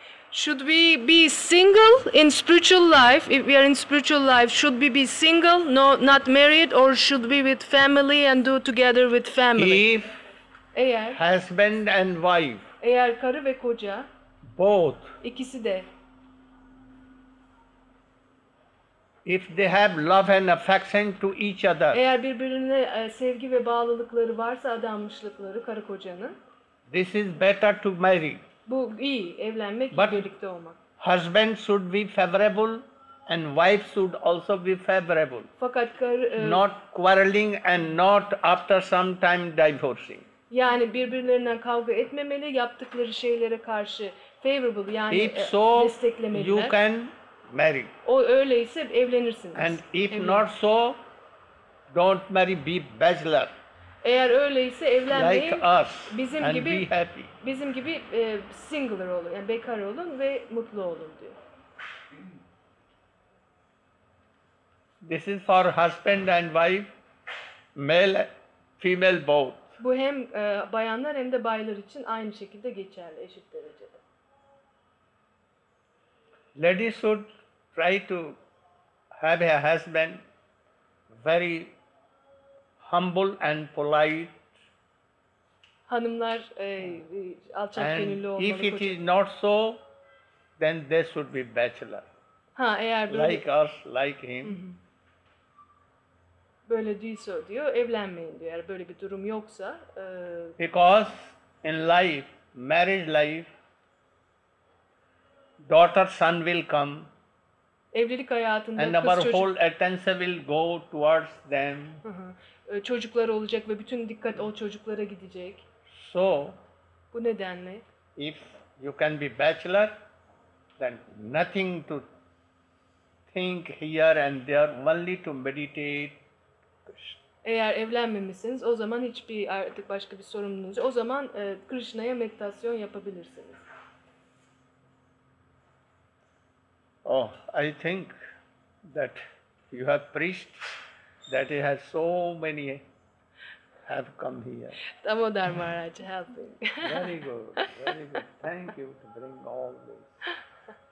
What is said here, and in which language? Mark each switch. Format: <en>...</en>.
<en>Should we be single in spiritual life? If we are in spiritual life, should we be single, no, not married, or should we with family and do together with family? If</en> <tr>eğer</tr> <en>husband and wife,</en> <tr>eğer karı ve koca,</tr> <en>both,</en> <tr>ikisi de,</tr> <en>if they have love and affection to each other,</en> <tr>eğer birbirine sevgi ve bağlılıkları varsa, adanmışlıkları karı kocanın,</tr> <en>this is better to marry.</en> <tr>Bu iyi, evlenmek, but birlikte olmak.</tr> <en>Husband should be favorable and wife should also be favorable.</en> <tr>Fakat</tr> <en>not quarreling and not after some time divorcing.</en> <tr>Yani birbirlerinden kavga etmemeli, yaptıkları şeylere karşı favorable, yani</tr> <en>if so,</en> <tr>desteklemeliler.</tr> <en>You can marry.</en> <tr>O öyleyse evlenirsiniz.</tr> <en>And if</en> <tr>evlen.</tr> <en>Not so, don't marry, be bachelor.</en> <tr>Eğer öyleyse evlenmeyin.</tr> <en>Like us,</en> <tr>bizim</tr> <en>and</en> <tr>gibi</tr> <en>be happy.</en> <tr>Bizim gibi singular olun, yani bekar olun ve mutlu olun diyor.</tr> <en>This is for husband and wife, male, female both.</en> <tr>Bu hem bayanlar hem de baylar için aynı şekilde geçerli, eşit derecede.</tr> <en>Ladies should try to have a husband very humble and polite.</en> <tr>Hanımlar alçak</tr> <en>and</en> <tr>gönüllü olmalı.</tr> <en>And if it is not so, then they should be bachelor.</en> <tr>Ha, eğer böyle</tr> <en>like us, like him.</en> <tr>Böyle değilse diyor, evlenmeyin diyor. Eğer böyle bir durum yoksa.</tr> <en>Because in life, marriage life, daughter, son will come.</en> <tr>Evlilik hayatında</tr> <en>and</en> <tr>kız çocuk.</tr> <en>And our whole attention will go towards them.</en> <tr>Çocuklar olacak ve bütün dikkat o çocuklara gidecek.</tr> <en>So,</en> <tr>bu nedenle,</tr> <en>if you can be bachelor, then nothing to think here and there, only to meditate.</en> <tr>Eğer evlenmemişsiniz, o zaman hiçbir artık başka bir sorumluluğunuz. O zaman Krishna'ya meditasyon yapabilirsiniz.</tr> <en>Oh, I think that you have preached that he has so many have come here. Damodar Maharaj helping. Very good, very good. Thank you to bring all this.</en>